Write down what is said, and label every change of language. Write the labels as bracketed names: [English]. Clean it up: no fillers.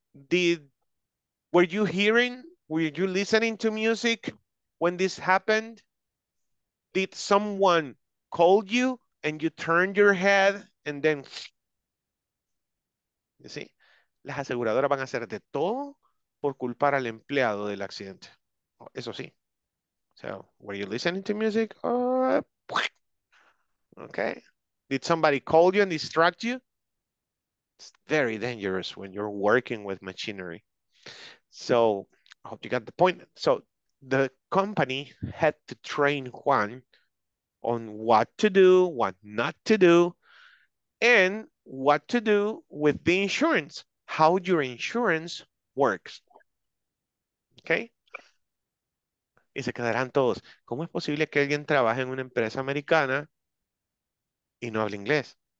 [English] Were you listening to music when this happened? Did someone call you and you turned your head and then, you see? [Spanish] Las aseguradoras van a hacer de todo por culpar al empleado del accidente. Eso sí. [English] So, were you listening to music? Okay. Did somebody call you and distract you? It's very dangerous when you're working with machinery. So, I hope you got the point. So, the company had to train Juan on what to do, what not to do, and what to do with the insurance, how your insurance works. [Spanish] Okay? Y se quedarán todos. ¿Cómo es posible que alguien trabaje en una empresa americana y no hable inglés?